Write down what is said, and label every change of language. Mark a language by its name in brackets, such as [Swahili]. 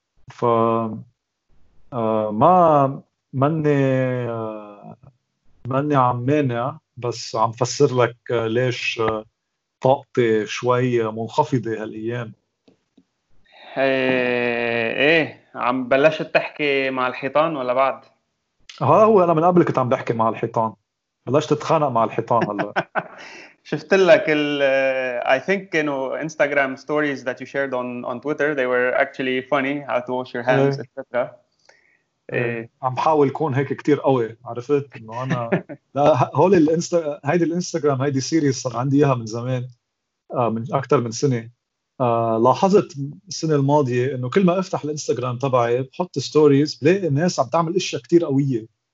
[Arabic] ف ما مني مني عم مانع، بس عم فسر لك ليش طاقتي شوي منخفضة هالأيام. ايه عم بلشت تحكي مع الحيطان ولا بعد؟ ها هو أنا من قبل كنت عم بحكي مع الحيطان، بلشت أتخانق مع الحيطان هلأ. شفت لك ال [English] I think you know Instagram stories that you shared on Twitter, they were actually funny, how to wash your hands, [Arabic] إيه. [English] etc. [Arabic] إيه. عم حاول كون هيك كتير قوي، عرفت انه انا لا هول هيدي الانستغرام، هيدي سيريز صار عندي اياها من زمان، من اكثر من سنه. لاحظت السنه الماضيه انه كل ما افتح الانستغرام تبعي بحط ستوريز، بلاقي الناس عم تعمل اشياء كتير قويه.